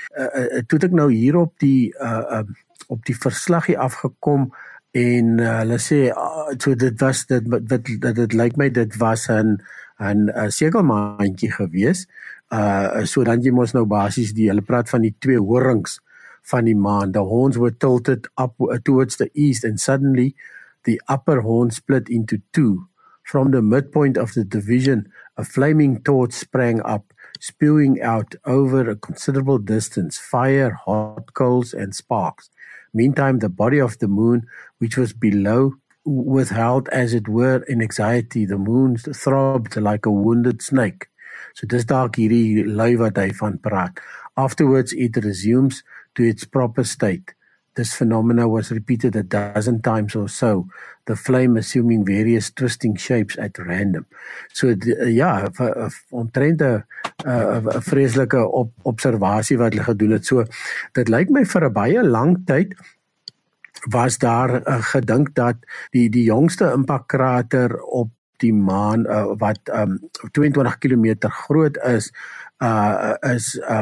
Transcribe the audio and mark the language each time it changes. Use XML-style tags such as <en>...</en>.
<af>Toe ek nou hier op die verslag hier afgekom, en hulle sê, so dit lyk my dit was een sekelmaantjie gewees, so dan jy mos nou basis die, hulle praat van die twee horings van die maan.</af> <en>The horns were tilted up towards the east and suddenly the upper horn split into two. From the midpoint of the division, a flaming torch sprang up, spewing out over a considerable distance fire, hot coals and sparks. Meantime, the body of the moon, which was below, withheld as it were in anxiety, the moon throbbed like a wounded snake.</en> <af>So dis dalk hierdie lui wat hy van praat.</af> <en>Afterwards it resumes to its proper state. This phenomena was repeated a dozen times or so, the flame assuming various twisting shapes at random.</en> <af>So ja, omtrent 'n vreeslike observasie wat hulle gedoen het. So dit lyk my vir 'n baie lang tyd was daar gedink dat die jongste impakkrater op die maan wat 22 kilometer groot is is</af>